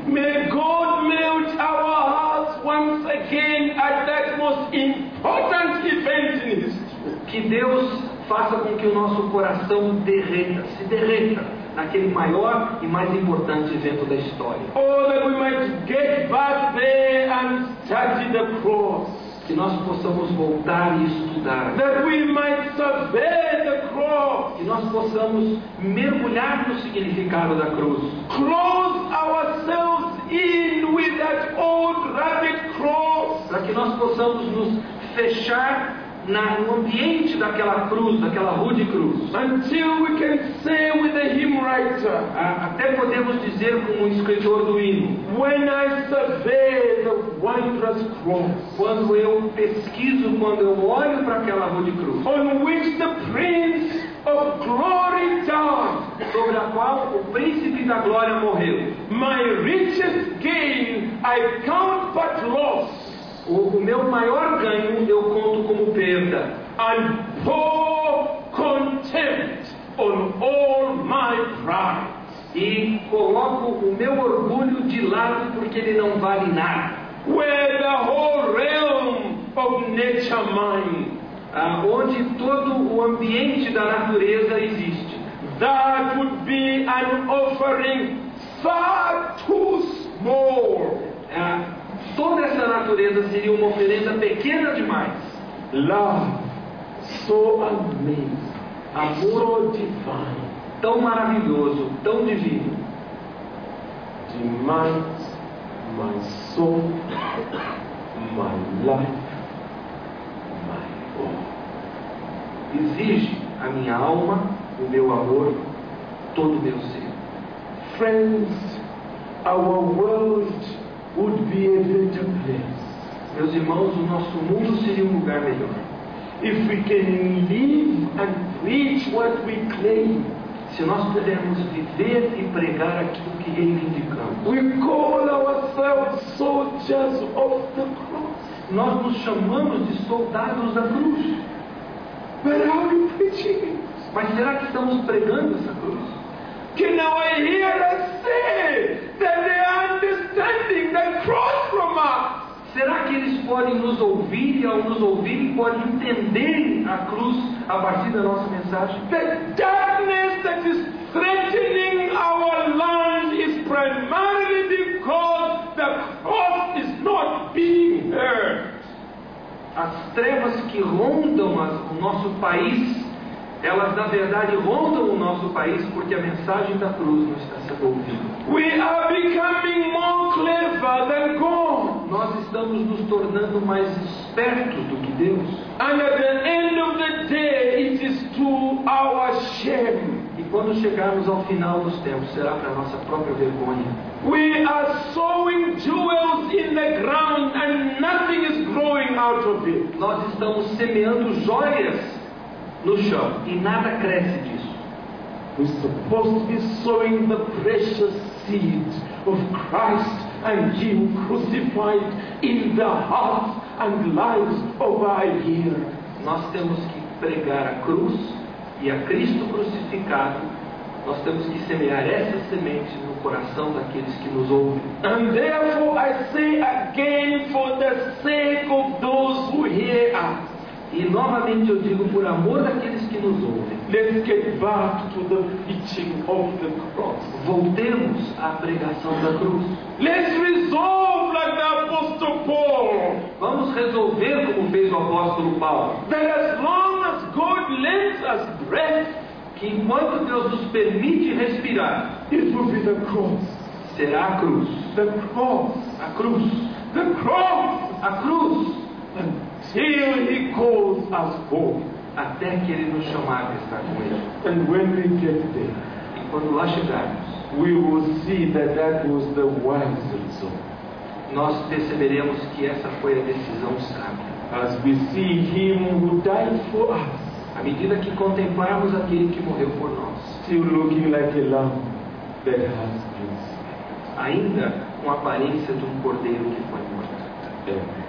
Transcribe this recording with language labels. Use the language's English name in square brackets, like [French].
[English] May God melt our hearts once again at that most important event in history. [Portuguese] Que Deus faça com que o nosso coração derreta, se derreta naquele maior e mais importante evento da história. [English] Oh, that we might get back there and study the cross. [Portuguese] Que nós possamos voltar e estudar. [English] That we might survey the cross. [Portuguese] Que nós possamos mergulhar no significado da cruz. [English] Close ourselves in with that old rabbit cross. [Portuguese] Para que nós possamos nos fechar no ambiente daquela cruz, daquela rude cruz. [English] Until we can say with the hymn writer, [Portuguese] até podemos dizer como o escritor do hino. [English] When I survey the wondrous cross, [Portuguese] quando eu pesquiso, quando eu olho para aquela rude cruz, [English] on which the Prince of Glory died, [Portuguese] sobre a qual o príncipe da glória morreu, [English] my richest gain I count but loss. [Portuguese] O meu maior ganho eu conto como perda. [English] And pour contempt on all my pride. [Portuguese] E coloco o meu orgulho de lado porque ele não vale nada. [English] Where the whole realm of nature mine. [Portuguese] Onde todo o ambiente da natureza existe. [English] That would be an offering far too small. [Portuguese] Toda essa natureza seria uma oferenda pequena demais. [English] Love, so amazing, amor so divine, [Portuguese] tão maravilhoso, tão divino, [English] demands my soul, my life, my all. [Portuguese] Exige a minha alma, o meu amor, todo o meu ser. [English] Friends, our world would be a better place. [Portuguese] Meus irmãos, o nosso mundo seria um lugar melhor. [English] If we can live and preach what we claim, [Portuguese] se nós pudermos viver e pregar aquilo que reivindicamos. [English] We call ourselves soldiers of the cross. [Portuguese] Nós nos chamamos de soldados da cruz. [English] But are we preaching? [Portuguese] Mas será que estamos pregando essa cruz? [English] Can our hearers see that they are understanding the cross from us? [Portuguese] Será que eles podem nos ouvir e ao nos ouvir podem entender a cruz a partir da nossa mensagem? [English] The darkness that is threatening our land is primarily because the cross is not being heard. [Portuguese] trevas que rondam o nosso país, elas na verdade rondam o nosso país porque a mensagem da cruz não está sendo ouvida. [English] We are becoming more clever than God. [Portuguese] Nós estamos nos tornando mais espertos do que Deus. [English] And at the end of the day, it is to our shame. [Portuguese] E quando chegarmos ao final dos tempos, será para nossa própria vergonha. [English] We are sowing jewels in the ground and nothing is growing out of it. [Portuguese] Nós estamos semeando joias no chão e nada cresce disso. [English] We are supposed to be sowing the precious seeds of Christ and Him crucified in the hearts and lives of our year. [Portuguese] Nós temos que pregar a cruz e a Cristo crucificado. Nós temos que semear essa semente no coração daqueles que nos ouvem. [English] And therefore I say again, for the sake of those who hear us. [Portuguese] E novamente eu digo, por amor daqueles que nos ouvem. [English] Let's get back to the preaching of the cross. [Portuguese] Voltemos à pregação da cruz. [English] Let's resolve like the apostle Paul. [Portuguese] Vamos resolver como fez o apóstolo Paulo. [English] That as long as God lets us breath, [Portuguese] que enquanto Deus nos permite respirar, [English] it will be the cross. [Portuguese] Será a cruz. [English] The cross. [Portuguese] A cruz. [English] The cross. [Portuguese] A cruz. [English] Until He calls us home. [Portuguese] Até que Ele nos chamar para estar com Ele. [English] And when we get there, [Portuguese] e quando lá chegarmos, [English] we will see that that was the wise result. [Portuguese] Nós perceberemos que essa foi a decisão sábia. [English] As we see Him who died for us. [Portuguese] À medida que contemplarmos aquele que morreu por nós. [English] Still looking like a lamb that has been slain. [Portuguese] Ainda com a aparência de um cordeiro que foi morto.